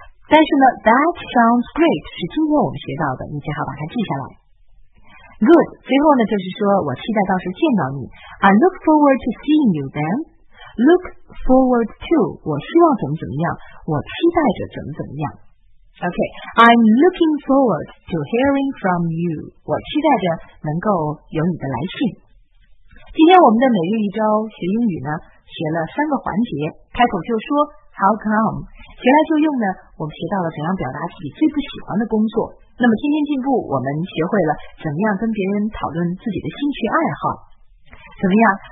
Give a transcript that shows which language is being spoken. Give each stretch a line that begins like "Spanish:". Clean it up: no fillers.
Chinese: 但是呢
English: That sounds great
Chinese: 是今天我们学到的，你最好把它记下来。
English: Good.
Chinese: 最后呢就是说我期待到时见到你。
English: I look forward to seeing you then. Look forward to.
Chinese: 我希望怎么怎么样，我期待着怎么怎么样。
English: OK, I'm looking forward to hearing from you.
Chinese: 我期待着能够有你的来信。今天我们的每日一周学英语呢，学了三个环节，开口就说
English: How come?
Chinese: 学来就用呢，我们学到了怎样表达自己最不喜欢的工作。那么天天进步，我们学会了怎么样跟别人讨论自己的兴趣爱好。怎么样？